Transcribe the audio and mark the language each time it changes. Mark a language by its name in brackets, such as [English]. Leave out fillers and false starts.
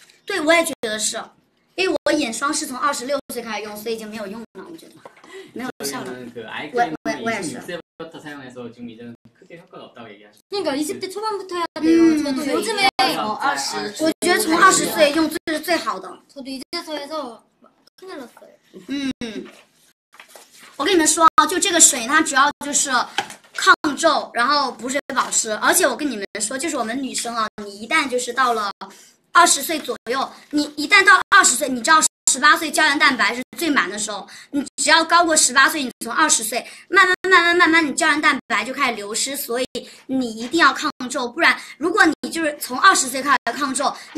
[Chinese] 对，我也觉得是，因为我眼霜是从26岁开始用，所以已经没有用了，我觉得没有效了。 [Korean] 그 아이크림을20대부터 사용해서지금이제는크게효과가없다고얘기하시 죠그러니까20대초반부터해야돼요저도요즘에 [Chinese] 어二十，我觉得从20岁用这是最好的。 [Korean] 저도이제서해서 [Chinese] 嗯，我跟你们说啊，就这个水它主要就是抗皱，然后补水保湿。而且我跟你们说，就是我们女生啊，你一旦就是到了20岁左右，你一旦到20岁，你知道18岁胶原蛋白是最满的时候，你只要高过18岁，你从20岁慢慢你胶原蛋白就开始流失，所以你一定要抗皱，不然如果你就是从20岁开始抗皱，